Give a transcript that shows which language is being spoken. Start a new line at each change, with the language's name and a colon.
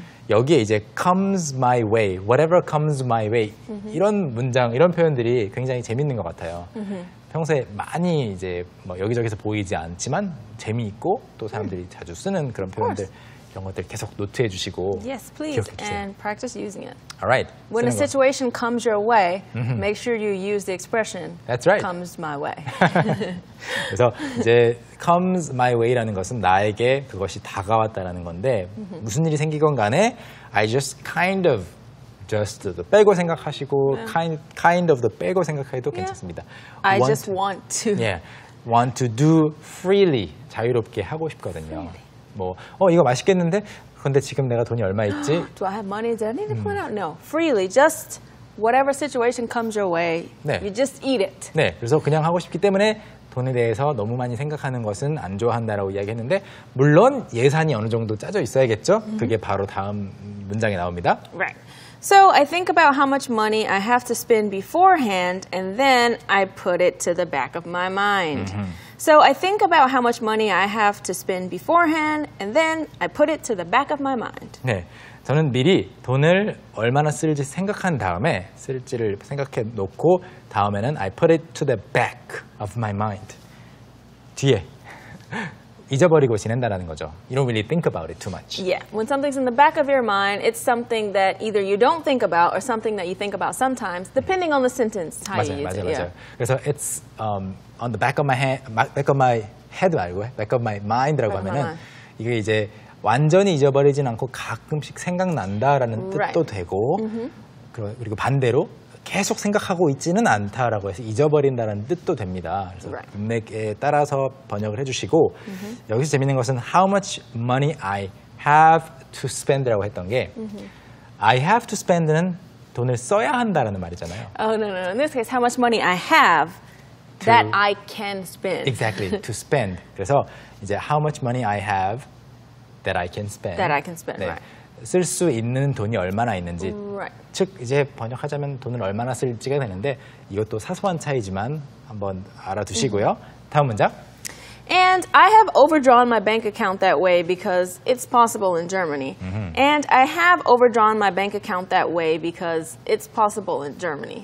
Korean: 여기에 이제
English: comes my way, whatever comes my way
Korean: 이런 문장, 이런 표현들이 굉장히 재밌는 것 같아요. 평소에 많이 이제 뭐 여기저기서 보이지 않지만 재미있고 또 사람들이 자주 쓰는 그런 표현들 이런 것들 계속 노트해 주시고
English: Yes, please, and practice using it. All right. When a situation comes your way, make sure you use the expression That's right. comes my way.
Korean: 그래서 이제 comes my way라는 것은 나에게 그것이 다가왔다라는 건데 무슨 일이 생기건 간에
English: I just kind of just
Korean: 빼고 생각하시고 yeah. kind of 빼고 생각해도 yeah. 괜찮습니다.
English: I want just to, want to. Yeah. Want to do freely.
Korean: 자유롭게 하고 싶거든요.
English: Freely.
Korean: 뭐, 이거 맛있겠는데? 근데 지금 내가 돈이 얼마 있지?
English: Do I have money? Do I need to put out? No. Freely, just whatever situation comes your way,
Korean: 네.
English: you just eat it.
Korean: 네, 그래서 그냥 하고 싶기 때문에 돈에 대해서 너무 많이 생각하는 것은 안 좋아한다라고 이야기했는데 물론 예산이 어느 정도 짜져 있어야겠죠? 그게 바로 다음 문장에 나옵니다.
English: Right. So I think about how much money I have to spend beforehand and then I put it to the back of my mind. So I think about how much money I have to spend beforehand and then I put it to the back of my mind.
Korean: 네. 저는 미리 돈을 얼마나 쓸지 생각한 다음에 쓸지를 생각해 놓고 다음에는
English: I put it to the back of my mind.
Korean: 뒤에 잊어버리고 지낸다라는 거죠.
English: You don't really think about it too much. Yeah, when something's in the back of your mind, it's something that either you don't think about or something that you think about sometimes, depending on the sentence.
Korean: 맞아요. 그래서
English: it's on the back of my head, back of my head 말고 back of my mind
Korean: 라고 하면은 이게 이제 완전히 잊어버리진 않고 가끔씩 생각난다라는
English: right.
Korean: 뜻도 되고 mm-hmm. 그리고 반대로 계속 생각하고 있지는 않다라고 해서 잊어버린다는 뜻도 됩니다. 그래서
English: right.
Korean: 문맥에 따라서 번역을 해주시고 mm-hmm. 여기서 재밌는 것은
English: how much money I have to spend
Korean: 라고 했던 게 mm-hmm.
English: I have to spend
Korean: 는 돈을 써야 한다라는 말이잖아요.
English: Oh, no, no, no. In this case, how much money I have to, that I can spend. Exactly, to spend.
Korean: 그래서 이제
English: how much money I have that I can spend. That I can spend,
Korean: 네.
English: right.
Korean: 쓸 수 있는 돈이 얼마나 있는지
English: right.
Korean: 즉 이제 번역하자면 돈을 얼마나 쓸지가 되는데 이것도 사소한 차이지만 한번 알아두시고요. Mm-hmm. 다음 문장.
English: And I have overdrawn my bank account that way because it's possible in Germany. Mm-hmm. And I have overdrawn my bank account that way because it's possible in Germany.